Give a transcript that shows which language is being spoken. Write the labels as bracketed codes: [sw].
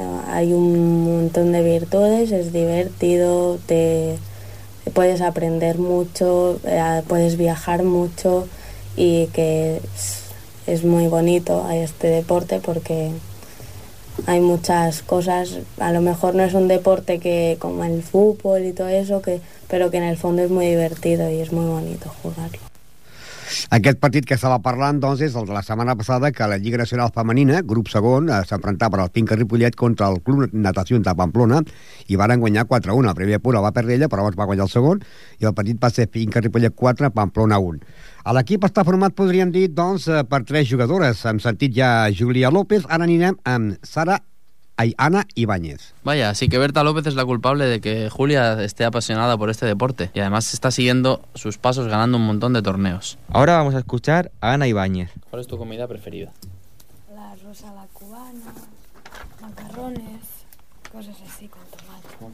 [es] hay un montón de virtudes, es divertido, te puedes aprender mucho, puedes viajar mucho, y que es muy bonito este deporte porque... hay muchas cosas, a lo mejor no es un deporte que como el fútbol y todo eso, pero que en el fondo es muy divertido y es muy bonito jugarlo. [ca] Aquest partit que estava parlant, doncs, és el de la setmana passada, que la Lliga Nacional Femenina, grup segon, s'enfrontava per al Finca Ripollet contra el Club Natació de Pamplona i varen guanyar 4-1. La primera pura va perdre ella, però abans va guanyar el segon i el partit va ser Finca Ripollet 4, Pamplona 1. L'equip està format, podríem dir, doncs, per tres jugadores. Hem sentit ja Julia López, ara anirem amb Sara Ana Ibáñez. [es] Vaya, así que Berta López es la culpable de que Julia esté apasionada por este deporte y además está siguiendo sus pasos ganando un montón de torneos. Ahora vamos a escuchar a Ana Ibáñez. ¿Cuál es tu comida preferida? La rosa, la cubana, macarrones, cosas así con tomate.